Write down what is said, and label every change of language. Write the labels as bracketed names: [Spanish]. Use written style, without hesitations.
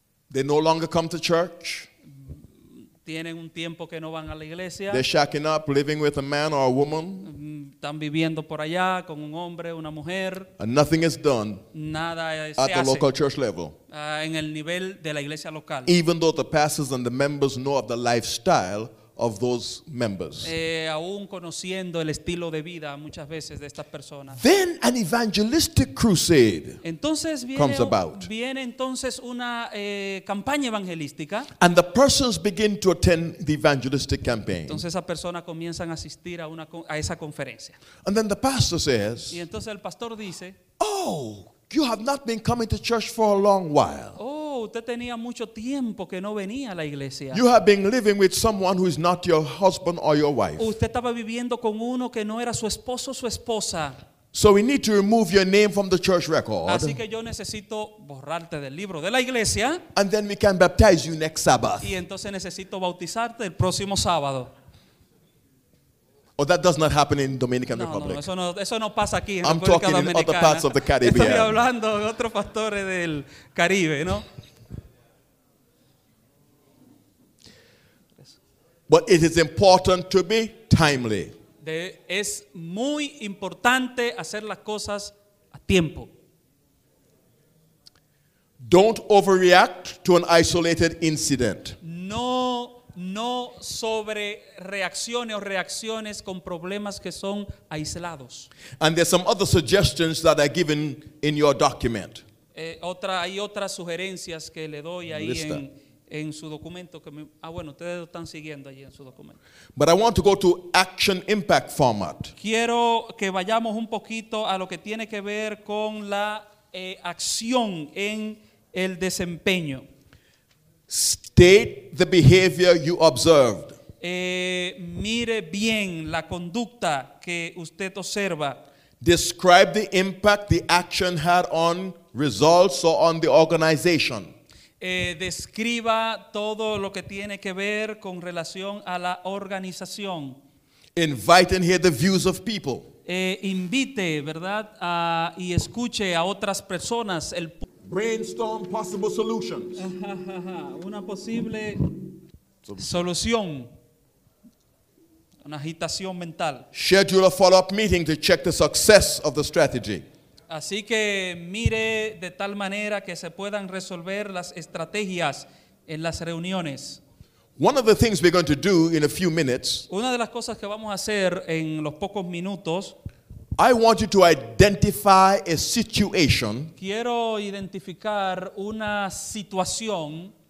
[English] They no longer come to church. [Spanish] Tienen un tiempo que no van a la iglesia. [English] They're shacking up, living with a man or a woman. [Spanish] Están viviendo por allá con un hombre, una mujer. [English] And nothing is done. [Spanish] Nada se hace. [English] At the local church level. [Spanish] En el nivel de la iglesia local. [English] Even though the pastors and the members know of the lifestyle of those members. [Spanish] Aún conociendo el estilo de vida muchas veces de estas personas. [English] Then an evangelistic crusade [Spanish] entonces viene, [English] comes about. [Spanish] Viene entonces una campaña evangelística. [English] And the persons begin to attend the evangelistic campaign. [Spanish] Entonces esas personas comienzan a asistir a esa conferencia. [English] And then the pastor says. [Spanish] Y entonces el pastor dice. [English] Oh, you have not been coming to church for a long while. [Spanish] Oh, usted tenía mucho tiempo que no venía a la iglesia. [English] You have been living with someone who is not your husband or your wife. [Spanish] Usted estaba viviendo con uno que no era su esposo o su esposa. [English] So we need to remove your name from the church record. [Spanish] Así que yo necesito borrarte del libro de la iglesia. [English] And then we can baptize you next Sabbath. [Spanish] Y entonces necesito bautizarte el próximo sábado. [English] Oh, that does not happen in Dominican Republic. [Spanish] Eso no pasa aquí, [English] I'm talking [Spanish] Dominicana. [English] In other parts of the Caribbean. [Spanish] Estoy hablando de otros pastores del Caribe, ¿no? [English] But it is important to be timely. [Spanish] Es muy importante hacer las cosas a tiempo. [English] Don't overreact to an isolated incident. [Spanish] No sobre reacciones o reacciones con problemas que son aislados. [English] And there's some other suggestions that are given in your document. [Spanish] Hay otras sugerencias que le doy ahí en su documento. Bueno, ustedes lo están siguiendo allí en su documento. [English] But I want to go to action impact format. [Spanish] Quiero que vayamos un poquito a lo que tiene que ver con la acción en el desempeño. [English] State the behavior you observed. [Spanish] Mire bien la conducta que usted observa. [English] Describe the impact the action had on results or on the organization. [Spanish] Describa todo lo que tiene que ver con relación a la organización. [English] Invite and hear the views of people. [Spanish] Invite, ¿verdad? Y escuche a otras personas el [English] brainstorm possible solutions. [Spanish] Una posible solución. Una agitación mental. [English] Schedule a follow-up meeting to check the success of the strategy. [Spanish] Así que mire de tal manera que se puedan resolver las estrategias en las reuniones. [English] One of the things we're going to do in a few minutes. [Spanish] Una de las cosas que vamos a hacer en los pocos minutos. [English] I want you to identify a situation. [Spanish] Quiero identificar una situación